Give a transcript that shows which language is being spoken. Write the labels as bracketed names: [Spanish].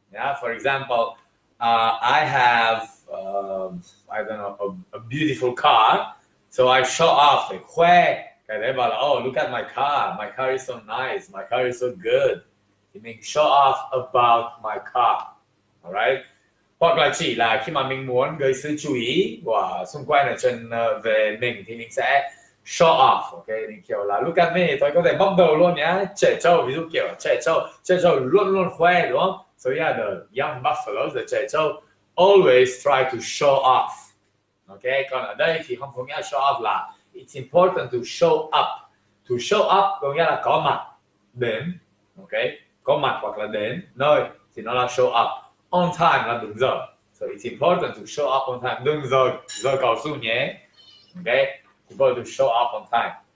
[English] Yeah, for example, I have I don't know, a beautiful car. So I show off, like khoe. [Vietnamese] Cái đấy bảo là, [English] oh, look at my car. My car is so nice, my car is so good. Mình show off about my car, alright? [Vietnamese] Hoặc là chỉ là khi mà mình muốn gây sự chú ý của xung quanh ở trên về mình thì mình sẽ show off, ok? Mình kiểu là [English] look at me, [Vietnamese] tôi có thể bóc đầu luôn nhé. Trẻ trâu, ví dụ kiểu trẻ trâu luôn luôn khoe, đúng không? [English] So yeah, the young buffalo, the trẻ trâu always try to show off, ok? [Vietnamese] Còn ở đây thì không có nghĩa show off là [English] it's important to show up. [Vietnamese] To show up có nghĩa là có mặt, đến, ok? Có mặt hoặc là đến nơi thì nó là show up. On time là đúng giờ. [English] So it's important to show up on time. [Vietnamese] Đúng giờ, giờ cầu su nhé. [English] Ok, it's important to show up on time.